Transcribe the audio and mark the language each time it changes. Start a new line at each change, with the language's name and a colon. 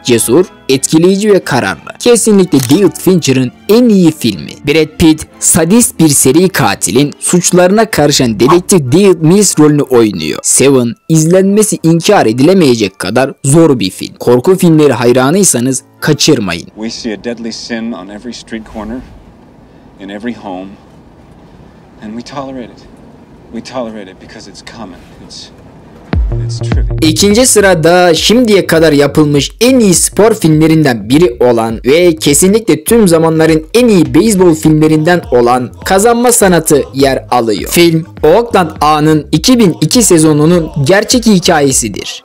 Turkish: Cesur, etkileyici ve kararlı. Kesinlikle David Fincher'ın en iyi filmi. Brad Pitt, sadist bir seri katilin suçlarına karışan dedektif David Mills rolünü oynuyor. Seven, izlenmesi inkar edilemeyecek kadar zor bir film. Korku filmleri hayranıysanız kaçırmayın.
English: We see a deadly sin on every street corner, in every home, and we tolerate it. We tolerate it because it's common. It's...
Turkish: İkinci sırada şimdiye kadar yapılmış en iyi spor filmlerinden biri olan ve kesinlikle tüm zamanların en iyi beyzbol filmlerinden olan Kazanma Sanatı yer alıyor. Film Oakland A'nın 2002 sezonunun gerçek hikayesidir.